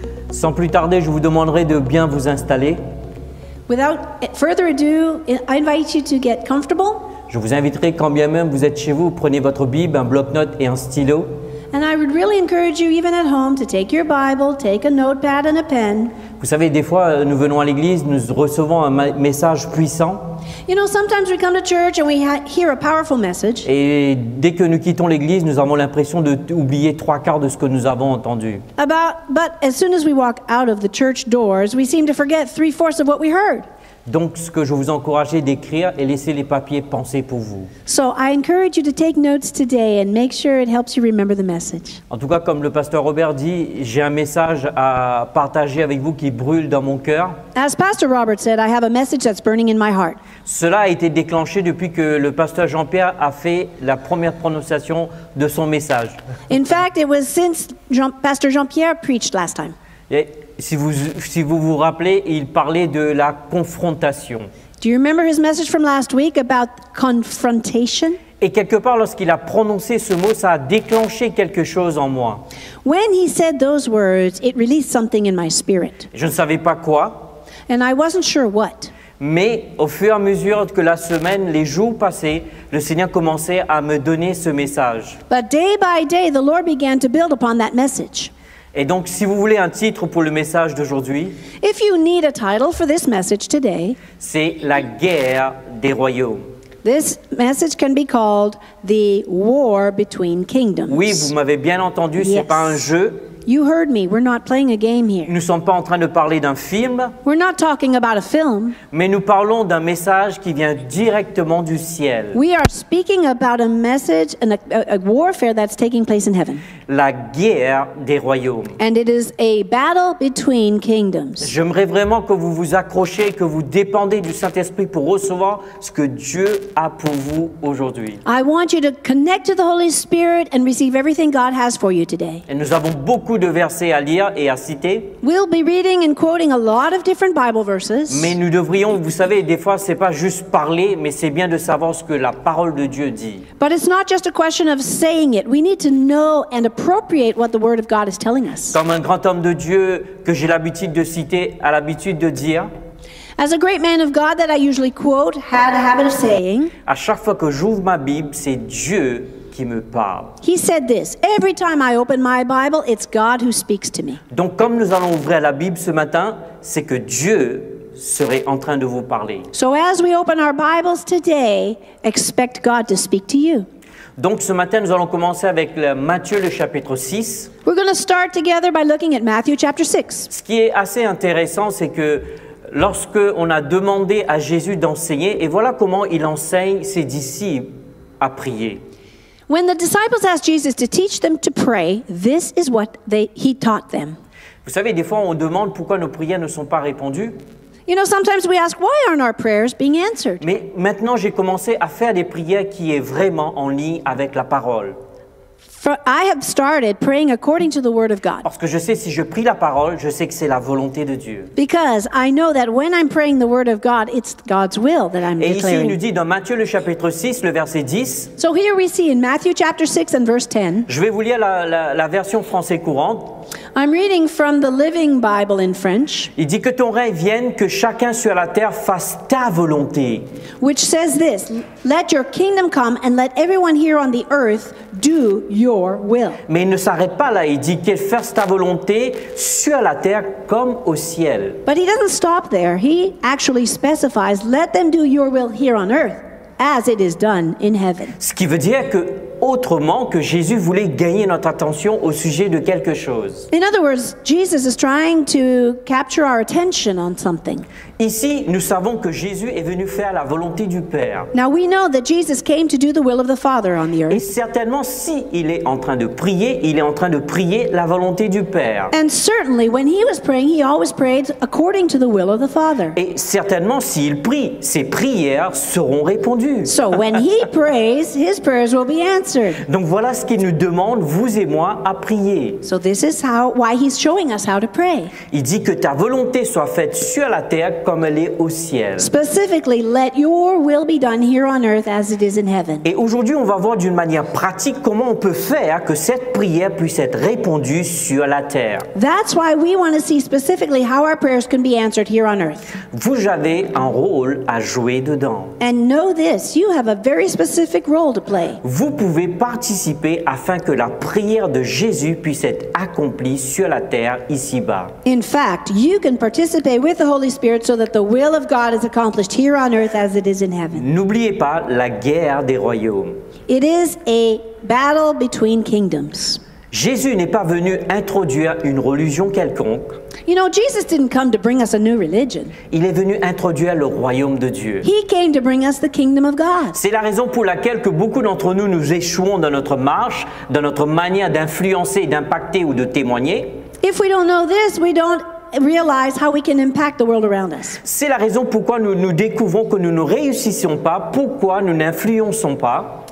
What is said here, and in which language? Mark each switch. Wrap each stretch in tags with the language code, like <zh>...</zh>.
<fr>Sans plus tarder, je vous demanderai de bien vous installer.</fr> <en>Without further ado, I invite you to get comfortable.</en> <fr>Je vous inviterai, quand bien même vous êtes chez vous, prenez votre Bible, un bloc-notes et un stylo.</fr> <en>And I would really encourage you, even at home, to take your Bible, take a notepad and a pen.</en> <fr>Vous savez, des fois, nous venons à l'église, nous recevons un message puissant.</fr> <en>You know, sometimes we come to church and we hear a powerful message.</en> <fr>Et dès que nous quittons l'église, nous avons l'impression d'oublier trois quarts de ce que nous avons entendu.</fr> <en>But as soon as we walk out of the church doors, we seem to forget three-fourths of what we heard.</en> <fr>Donc, ce que je vous encourage est d'écrire et laisser les papiers penser pour vous.</fr> <en>So, I encourage you to take notes today and make sure it helps you remember the message.</en> <fr>En tout cas, comme le pasteur Robert dit, j'ai un message à partager avec vous qui brûle dans mon cœur.</fr> <en>As Pastor Robert said, I have a message that's burning in my heart.</en> <fr>Cela a été déclenché depuis que le pasteur Jean-Pierre a fait la première prononciation de son message.</fr> <en>In fact, it was since Pastor Jean-Pierre preached last time.</en> <fr>Et Si vous vous rappelez, il parlait de la confrontation.</fr> <en>Do you remember his message from last week about confrontation?</en> <fr>Et quelque part, lorsqu'il a prononcé ce mot, ça a déclenché quelque chose en moi.</fr> <en>When he said those words, it released something in my spirit.</en> <fr>Je ne savais pas quoi.</fr> <en>And I wasn't sure what.</en> <fr>Mais au fur et à mesure que la semaine, les jours passaient, le Seigneur commençait à me donner ce message.</fr> <en>But day by day, the Lord began to build upon that message.</en> <fr>Et donc, si vous voulez un titre pour le message d'aujourd'hui,</fr> <en>if you need a title for this message today,</en> <fr>c'est la guerre des royaumes.</fr> <en>This message can be called the war between kingdoms.</en> <fr>Oui, vous m'avez bien entendu,</fr> <en>yes.</en> <fr>C'est pas un jeu.</fr> <en>You heard me, we're not playing a game here.</en> <fr>Nous sommes pas en train de parler d'un film.</fr> <en>We're not talking about a film.</en> <fr>Mais nous parlons d'un message qui vient directement du ciel.</fr> <en>We are speaking about a message and a warfare that's taking place in heaven.</en> <fr>La guerre des royaumes.</fr> <en>And it is a battle between kingdoms.</en> <fr>J'aimerais vraiment que vous vous accrochiez, que vous dépendez du Saint-Esprit pour recevoir ce que Dieu a pour vous aujourd'hui.</fr> <en>I want you to connect to the Holy Spirit and receive everything God has for you today.</en> <fr>Et nous avons beaucoup de versets à lire et à citer.</fr> <en>We'll be reading and quoting a lot of different Bible verses.</en> <fr>Mais nous devrions, vous savez, des fois c'est pas juste parler, mais c'est bien de savoir ce que la parole de Dieu dit.</fr> <en>But it's not just a question of saying it. We need to know and appropriate what the word of God is telling us.</en> <fr>Comme un grand homme de Dieu que j'ai l'habitude de citer, a l'habitude de dire.</fr> <en>As a great man of God that I usually quote had a habit of saying.</en> <fr>À chaque fois que j'ouvre ma Bible, c'est Dieu qui me parle.</fr> <en>He said this, every time I open my Bible, it's God who speaks to me.</en> <fr>Donc comme nous allons ouvrir la Bible ce matin, c'est que Dieu serait en train de vous parler.</fr> <en>So as we open our Bibles today, expect God to speak to you.</en> <fr>Donc ce matin, nous allons commencer avec Matthieu, le chapitre 6.</fr> <en>We're going to start together by looking at Matthew chapter 6.</en> <fr>Ce qui est assez intéressant, c'est que lorsqu'on a demandé à Jésus d'enseigner, et voilà comment il enseigne ses disciples à prier.</fr> <en>When the disciples asked Jesus to teach them to pray, this is what he taught them.</en> <fr>Vous savez, des fois on demande pourquoi nos prières ne sont pas répondues.</fr> <en>You know, sometimes we ask why aren't our prayers being answered?</en> <fr>Mais maintenant j'ai commencé à faire des prières qui est vraiment en ligne avec la parole.</fr> <en>I have started praying according to the word of God.</en> <fr>Parce que je sais si je prie la parole, je sais que c'est la volonté de Dieu.</fr> <en>Because I know that when I'm praying the word of God, it's God's will that I'm declaring.</en> <fr>Et ici il nous dit dans Matthieu le chapitre 6, le verset 10.</fr> <en>So here we see in Matthew chapter 6 and verse 10.</en> <fr>Je vais vous lire la version français courante.</fr> <en>I'm reading from the Living Bible in French.</en> <fr>Il dit que ton règne vienne, que chacun sur la terre fasse ta volonté.</fr> <en>Which says this, let your kingdom come and let everyone here on the earth do your will.</en> <fr>Mais il ne s'arrête pas là, il dit qu'elle fasse ta volonté sur la terre comme au ciel.</fr> <en>But he doesn't stop there. He actually specifies, let them do your will here on earth as it is done in heaven.</en> <fr>Ce qui veut dire que autrement que Jésus voulait gagner notre attention au sujet de quelque chose.</fr> <en>In other words, Jesus is trying to capture our attention on something.</en> <fr>Ici, nous savons que Jésus est venu faire la volonté du Père.</fr> <en>Now we know that Jesus came to do the will of the Father on the earth.</en> <fr>Et certainement, si il est en train de prier, il est en train de prier la volonté du Père.</fr> <en>And certainly, when he was praying, he always prayed according to the will of the Father.</en> <fr>Et certainement, s'il prie, ses prières seront répondues.</fr> <en>So when he prays, his prayers will be answered.</en> <fr>Donc voilà ce qu'il nous demande, vous et moi, à prier.</fr> <en>So this is why he's showing us how to pray.</en> <fr>Il dit que ta volonté soit faite sur la terre comme elle est au ciel.</fr> <en>Specifically, let your will be done here on earth as it is in heaven.</en> <fr>Et aujourd'hui, on va voir d'une manière pratique comment on peut faire que cette prière puisse être répondue sur la terre.</fr> <en>That's why we want to see specifically how our prayers can be answered here on earth.</en> <fr>Vous avez un rôle à jouer dedans.</fr> <en>And know this, you have a very specific role to play.</en> <fr>Vous pouvez participer afin que la prière de Jésus puisse être accomplie sur la terre ici-bas.</fr> <en>In fact, you can participate with the Holy Spirit so that the will of God is accomplished here on earth as it is in heaven.</en> <fr>N'oubliez pas la guerre des royaumes.</fr> <en>It is a battle between kingdoms.</en> <fr>Jésus n'est pas venu introduire une religion quelconque.</fr> <en>You know, Jesus didn't come to bring us a new religion.</en> <fr>Il est venu introduire le royaume de Dieu.</fr> <en>He came to bring us the kingdom of God.</en> <fr>C'est la raison pour laquelle que beaucoup d'entre nous nous échouons dans notre marche, dans notre manière d'influencer, d'impacter ou de témoigner.</fr> <en>If we don't know this, we don't realize how we can impact the world around us.</en> <fr>C'est la raison pourquoi nous nous découvrons que nous ne réussissons pas, pourquoi nous n'influençons pas.</fr>